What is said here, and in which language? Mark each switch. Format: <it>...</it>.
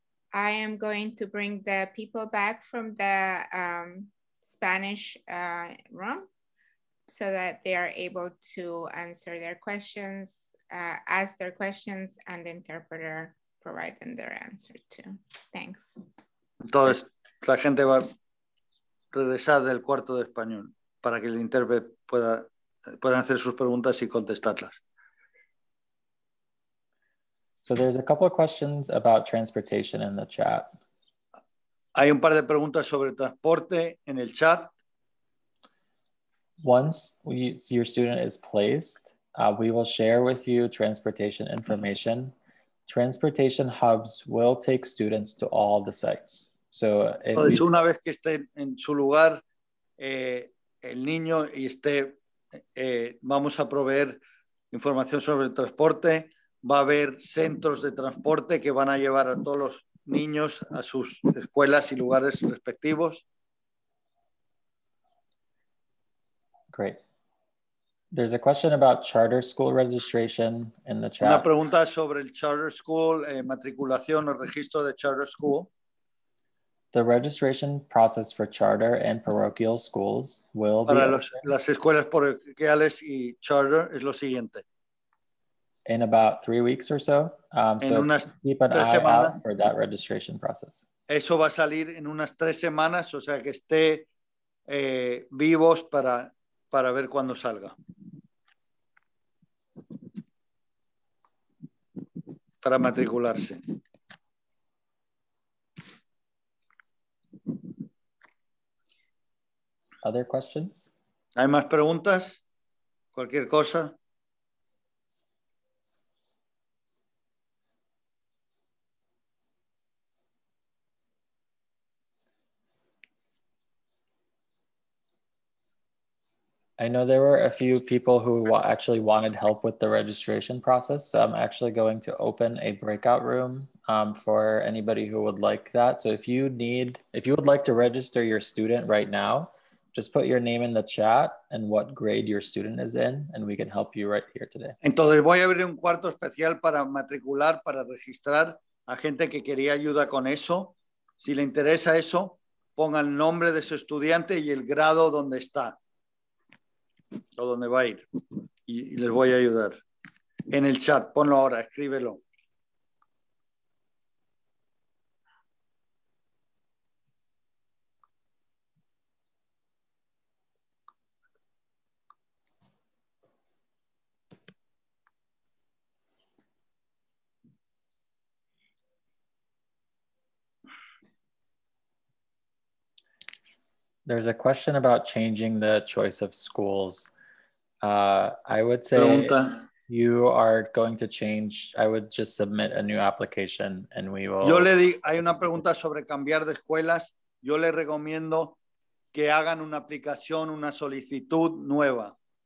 <en>I am going to bring the people back from the Spanish room so that they are able to answer their questions, ask their questions, and the interpreter provide them their answer too. Thanks.</en> <es>Entonces, la gente va a regresar del cuarto de español para que el intérprete pueda hacer sus preguntas y contestarlas.</es> <en>So there's a couple of questions about transportation in the chat.</en> <es>Hay un par de preguntas sobre transporte en el chat.</es> <en>Once your student is placed, we will share with you transportation information. Transportation hubs will take students to all the sites. So</en> <es>una vez que esté en su lugar el niño y esté, vamos a proveer información sobre el transporte. Va a haber centros de transporte que van a llevar a todos los niños a sus escuelas y lugares respectivos.</es> <en>Great. There's a question about charter school registration in the chat.</en> <es>Una pregunta sobre el charter school, matriculación o registro de charter school.</es> <en>The registration process for charter and parochial schools will para be...</en> <es>Para las escuelas parroquiales y charter es lo siguiente.</es> <en>In about 3 weeks or so. So keep an eye out for that registration process.</en> <es>Eso va a salir en unas 3 semanas, o sea que esté vivos para ver cuándo salga. Para matricularse.</es> <en>Other questions?</en> <es>¿Hay más preguntas? ¿Cualquier cosa?</es> <en>I know there were a few people who actually wanted help with the registration process. So I'm actually going to open a breakout room for anybody who would like that. So if you would like to register your student right now, just put your name in the chat and what grade your student is in, and we can help you right here today.</en> <es>Entonces voy a abrir un cuarto especial para matricular, para registrar a gente que quería ayuda con eso. Si le interesa eso, ponga el nombre de su estudiante y el grado donde está. O donde va a ir. Y les voy a ayudar. En el chat, ponlo ahora, escríbelo.</es> <en>There's a question about changing the choice of schools. I would say you are going to change. I would just submit a new application and we will.</en> <es>Yo le di, hay una pregunta sobre cambiar de escuelas. Yo le recomiendo que hagan una aplicación, una solicitud nueva.</es>